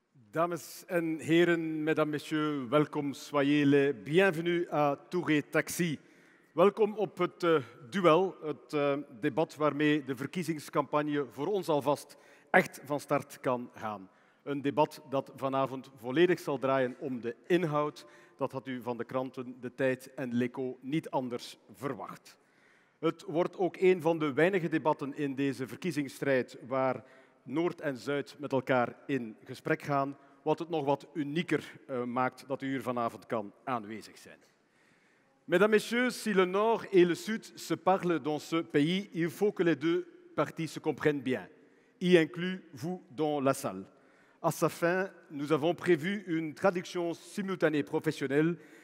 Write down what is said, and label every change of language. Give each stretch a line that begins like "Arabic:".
Dutch: Dames en heren,
French: mesdames, messieurs,
Dutch: welkom,
French: soyez les bienvenus à Touré Taxi.
Dutch: Welkom op het duel, het debat waarmee de verkiezingscampagne voor ons alvast echt van start kan gaan. Een debat dat vanavond volledig zal draaien om de inhoud. Dat had u van de kranten, De Tijd en L'Echo niet anders verwacht. Het wordt ook een van de weinige debatten in deze verkiezingsstrijd waar Noord en Zuid met elkaar in gesprek gaan, wat het nog wat unieker maakt dat u hier vanavond kan aanwezig zijn.
French: Mesdames, messieurs, si le Nord et le Sud se parlent dans ce pays, il faut que les deux parties se comprennent bien, y inclus vous dans la salle. À sa fin, nous avons prévu une traduction simultanée professionnelle.